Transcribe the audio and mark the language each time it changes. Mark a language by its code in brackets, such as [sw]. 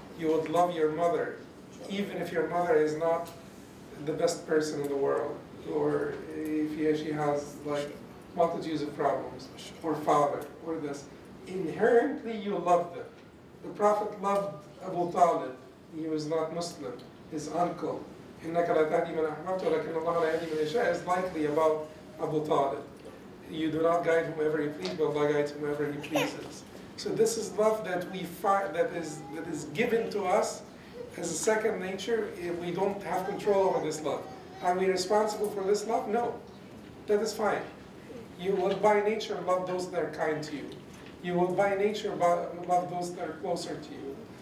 [en] You would love your mother, even if your mother is not the best person in the world, or if she has like multitudes of problems, or father, or this. Inherently you love them. The Prophet loved Abu Talib. He was not Muslim. His uncle, [ar] إِنَّكَ لَتَهْدِي مَنْ أَحْبَبْتَ وَلَكِنَّ اللَّهَ لَا يَهْدِي مَنْ يَشَاءُ, [en] is likely about Abu Talib. You do not guide whomever you please, but Allah guides whomever He pleases. So this is love that we find, that is given to us as a second nature. If we don't have control over this love, are we responsible for this love? No. That is fine. You will by nature love those that are kind to you. You will by nature love those that are closer to you.